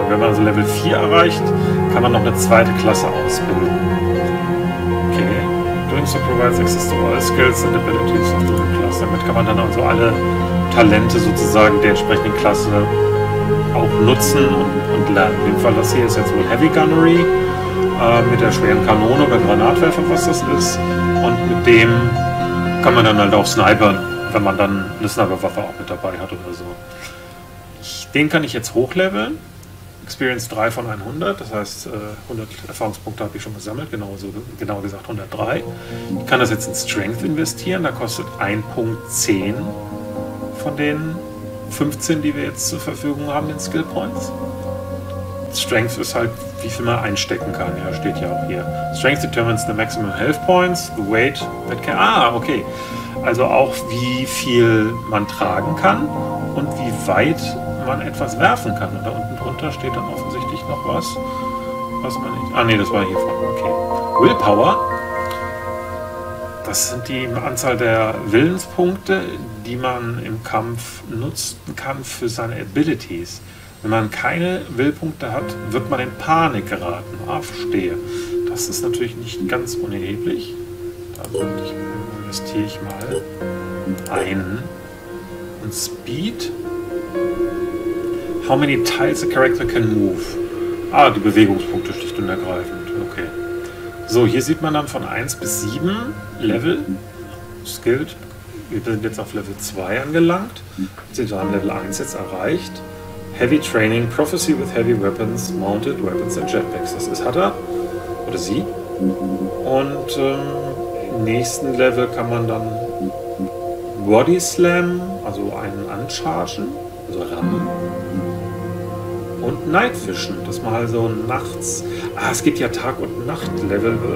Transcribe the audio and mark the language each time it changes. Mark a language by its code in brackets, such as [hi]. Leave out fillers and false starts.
[de] Wenn man also Level 4 erreicht, kann man noch eine zweite Klasse ausbilden. Okay. [en] Doing so provides access to all skills and abilities of the class. [de] Damit kann man dann also alle Talente sozusagen der entsprechenden Klasse auch nutzen und lernen. In dem Fall, das hier ist jetzt wohl Heavy Gunnery mit der schweren Kanone oder Granatwerfer, was das ist. Und mit dem kann man dann halt auch snipern, wenn man dann eine Sniperwaffe auch mit dabei hat oder so. Den kann ich jetzt hochleveln. Experience 3 von 100, das heißt 100 Erfahrungspunkte habe ich schon gesammelt, genauer gesagt 103. Ich kann das jetzt in Strength investieren, da kostet 1.10 von den 15, die wir jetzt zur Verfügung haben, in Skill Points. Strength ist halt, wie viel man einstecken kann, ja, steht ja auch hier. [en] Strength determines the maximum health points, the weight that can... Ah, okay. [de] Also auch, wie viel man tragen kann und wie weit man etwas werfen kann. Und da unten drunter steht dann offensichtlich noch was, was man nicht... Ah, nee, das war hier vorne. Okay. Willpower. Das sind die Anzahl der Willenspunkte, die man im Kampf nutzen kann für seine Abilities. Wenn man keine Willpunkte hat, wird man in Panik geraten. Ah, verstehe. Das ist natürlich nicht ganz unerheblich. Da investiere ich mal einen. Und Speed. [en] How many tiles a character can move? Ah, [de] die Bewegungspunkte schlicht und ergreifend. [en] Okay. [de] So, hier sieht man dann von 1 bis 7 Level skilled. Wir sind jetzt auf Level 2 angelangt. Sie haben Level 1 jetzt erreicht. [en] Heavy Training, Prophecy with Heavy Weapons, Mounted Weapons and Jetpacks. [de] Das ist hat er. Oder sie. Und im nächsten Level kann man dann Body Slam, also einen anchargen, also rammen. Und Night Vision, dass man also nachts... Ah, es gibt ja Tag- und Nacht-Level.